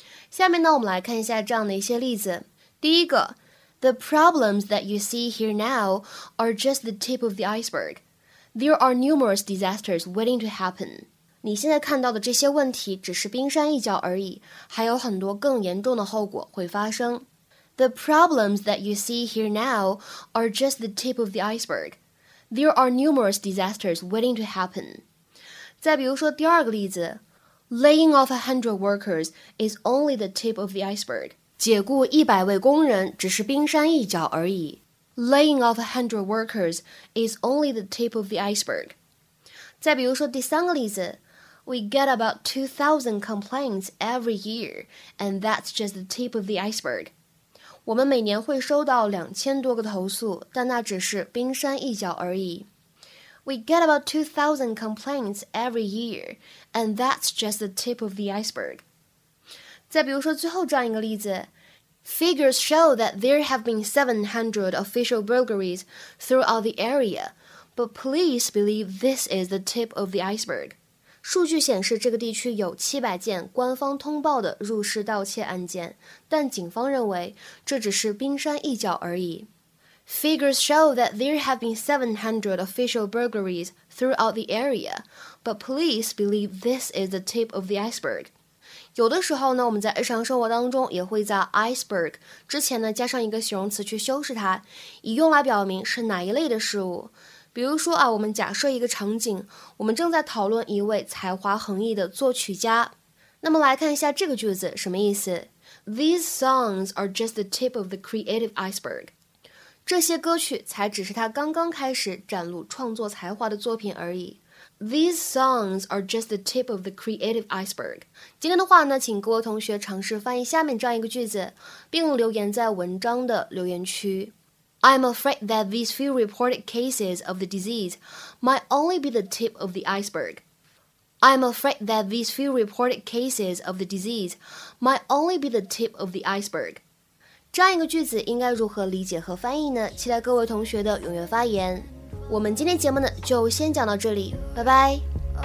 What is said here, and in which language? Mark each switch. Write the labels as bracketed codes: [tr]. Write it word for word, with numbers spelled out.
[zh] 下面呢我们来看一下这样的一些例子。 [en] 第一个 The problems that you see here now are just the tip of the iceberg. There are numerous disasters waiting to happen. [zh] 你现在看到的这些问题只是冰山一角而已，还有很多更严重的后果会发生。 [en] The problems that you see here now are just the tip of the iceberg. There are numerous disasters waiting to happen. 再比如说第二个例子 Laying off a hundred workers is only the tip of the iceberg. [zh] 解雇一百位工人只是冰山一角而已。 [en] Laying off a hundred workers is only the tip of the iceberg. 再比如说第三个例子 We get about two thousand complaints every year, and that's just the tip of the iceberg. [zh] 我们每年会收到两千多个投诉，但那只是冰山一角而已。 [en] We get about two thousand complaints every year, and that's just the tip of the iceberg. 再比如说最后这样一个例子，Figures show that there have been seven hundred official burglaries throughout the area, but police believe this is the tip of the iceberg. [zh] 数据显示，这个地区有七百件官方通报的入室盗窃案件，但警方认为这只是冰山一角而已。 [en] Figures show that there have been seven hundred official burglaries throughout the area, but police believe this is the tip of the iceberg. [zh] 有的时候呢，我们在日常生活当中也会在 iceberg 之前呢加上一个形容词去修饰它，以用来表明是哪一类的事物。比如说啊，我们假设一个场景，我们正在讨论一位才华横溢的作曲家。 [en] 那么来看一下这个句子什么意思 These songs are just the tip of the creative iceberg. [zh] 这些歌曲才只是他刚刚开始展露创作才华的作品而已。 [en] These songs are just the tip of the creative iceberg. [zh] 今天的话呢，请各位同学尝试翻译下面这样一个句子，并留言在文章的留言区。 [en] I'm afraid that these few reported cases of the disease might only be the tip of the iceberg. I'm afraid that these few reported cases of the disease might only be the tip of the iceberg. [zh] 这样一个句子应该如何理解和翻译呢？期待各位同学的踊跃发言。我们今天节目呢就先讲到这里，拜拜。